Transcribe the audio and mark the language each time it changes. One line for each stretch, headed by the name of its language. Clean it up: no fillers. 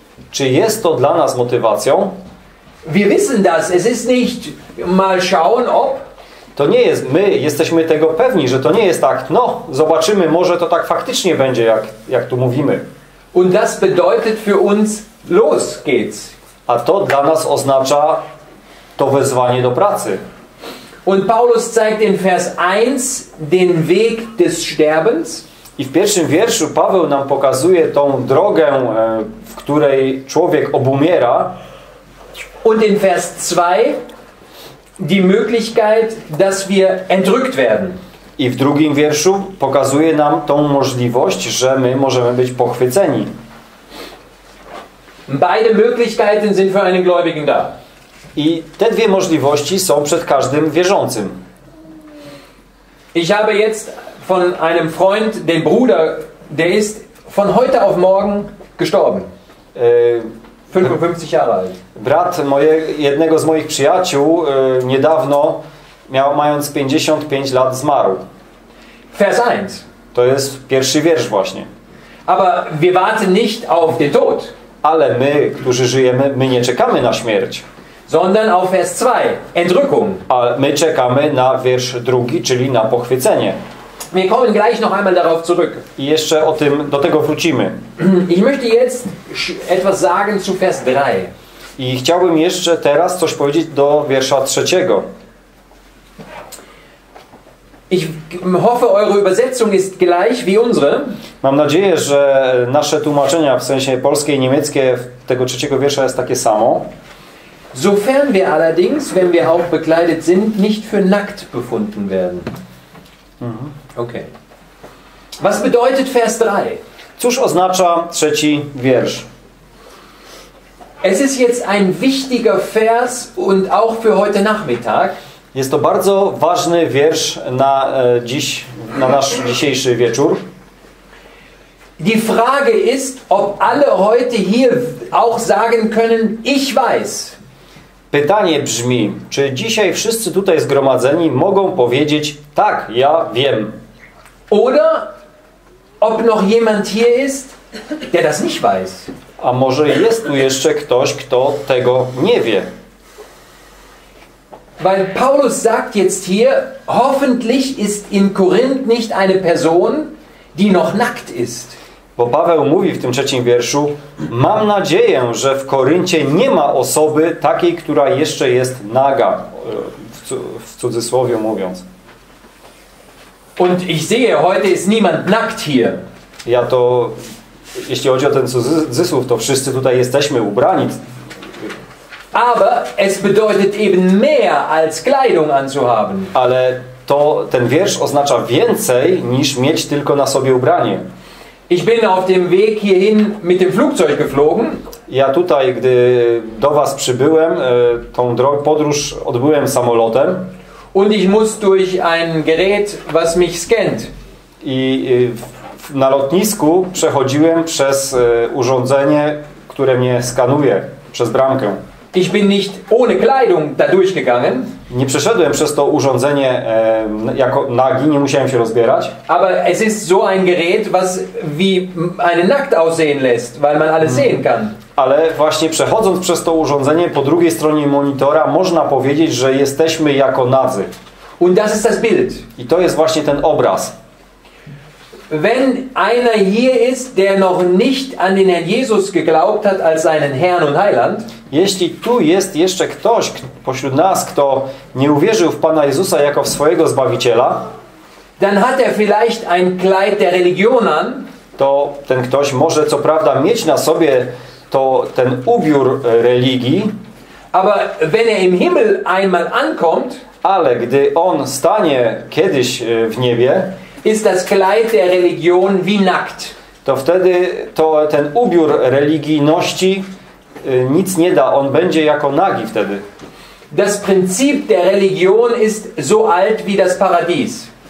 Polish: Czy jest to dla nas motywacją?
German: Wir wissen das. Es ist nicht mal schauen ob.
Polish: To nie jest, my jesteśmy tego pewni, że to nie jest tak, no zobaczymy, może to tak faktycznie będzie, jak tu mówimy.
German: Und das bedeutet für uns, los geht's.
Polish: A to dla nas oznacza to wezwanie do pracy.
German: Und Paulus zeigt in Vers 1 den Weg des Sterbens.
Polish: I w pierwszym wierszu Paweł nam pokazuje tą drogę, w której człowiek obumiera.
German: Und in Vers 2 die Möglichkeit, dass wir entrückt werden.
Polish: I w drugim wierszu pokazuje nam tą możliwość, że my możemy być pochwyceni.
German: Beide Möglichkeiten sind für einen Gläubigen da.
Polish: I te dwie możliwości są przed każdym wierzącym.
German: Ich habe jetzt von einem Freund, dem Bruder, der ist von heute auf morgen gestorben. 55 Jahre alt.
Polish: Brat jednego z moich przyjaciół niedawno, mając 55 lat, zmarł.
German: Vers 1.
Polish: To jest pierwszy wiersz właśnie.
German: Aber wir warten nicht auf den Tod.
Polish: Ale my, którzy żyjemy, my nie czekamy na śmierć.
German: Sondern auf Vers 2, Entrückung.
Polish: A my czekamy na wiersz drugi, czyli na pochwycenie.
German: Wir kommen gleich noch einmal darauf zurück.
Polish: I jeszcze o tym, do tego wrócimy.
German: Ich möchte jetzt etwas sagen zu Vers 3.
Polish: I chciałbym jeszcze teraz coś powiedzieć do wiersza trzeciego.
German: Ich hoffe, eure Übersetzung ist gleich wie unsere.
Polish: Mam nadzieję, że nasze tłumaczenia, w sensie polskie i niemieckie, tego trzeciego wiersza jest takie samo.
German: Sofern wir allerdings, wenn wir auch bekleidet sind, nicht für nackt befunden werden. Okay. Was bedeutet Vers 3?
Polish: Cóż oznacza trzeci wiersz?
German: Es ist jetzt ein wichtiger Vers und auch für heute Nachmittag.
Polish: Jest to bardzo ważny wiersz na dziś, na nasz dzisiejszy wieczór.
German: Die Frage ist, ob alle heute hier auch sagen können, ich weiß.
Polish: Pytanie brzmi, czy dzisiaj wszyscy tutaj zgromadzeni mogą powiedzieć, tak, ja wiem.
German: Oder ob noch jemand hier ist, der das nicht weiß.
Polish: A może jest tu jeszcze ktoś, kto tego nie wie.
German: Weil Paulus sagt jetzt hier, hoffentlich ist in Korinth nicht eine Person, die noch nackt ist.
Polish: Bo Paweł mówi w tym trzecim wierszu, mam nadzieję, że w Koryncie nie ma osoby takiej, która jeszcze jest naga, w cudzysłowie mówiąc.
German: Und ich sehe, heute ist niemand nackt hier.
Polish: Ja to, jeśli chodzi o ten cudzysłów, to wszyscy tutaj jesteśmy ubrani.
German: Aber es bedeutet eben mehr als Kleidung anzuhaben.
Polish: Ale to ten wiersz oznacza więcej niż mieć tylko na sobie ubranie.
German: Ich bin auf dem Weg hierhin mit dem Flugzeug geflogen.
Polish: Ja tutaj, gdy do was przybyłem, tą podróż odbyłem samolotem.
German: Und ich muss durch ein Gerät, was mich scannt.
Polish: I na lotnisku przechodziłem przez urządzenie, które mnie skanuje, przez bramkę.
German: Ich bin nicht ohne Kleidung da durchgegangen.
Polish: Nie przeszedłem przez to urządzenie jako nagi, nie musiałem się rozbierać.
German: Aber es ist so ein Gerät, was wie eine nackt aussehen lässt, weil man alles sehen kann.
Polish: Ale właśnie przechodząc przez to urządzenie po drugiej stronie monitora, można powiedzieć, że jesteśmy jako nadzy.
German: Und das ist das Bild.
Polish: I to jest właśnie ten obraz.
German: Wenn einer hier ist, der noch nicht an den Herrn Jesus geglaubt hat als seinen Herrn und Heiland.
Polish: Jeśli tu jest jeszcze ktoś pośród nas, kto nie uwierzył w Pana Jezusa jako w swojego Zbawiciela,
German: dann hat er vielleicht ein Kleid der Religion an.
Polish: To ten ktoś może co prawda mieć na sobie to ten ubiór religii,
German: aber wenn er im Himmel einmal ankommt,
Polish: ale gdy on stanie kiedyś w niebie,
German: ist das Kleid der Religion wie nackt.
Polish: To wtedy to ten ubiór religijności nic nie da, on będzie jako nagi wtedy.
German: Das Prinzip der Religion ist so alt wie das Paradies.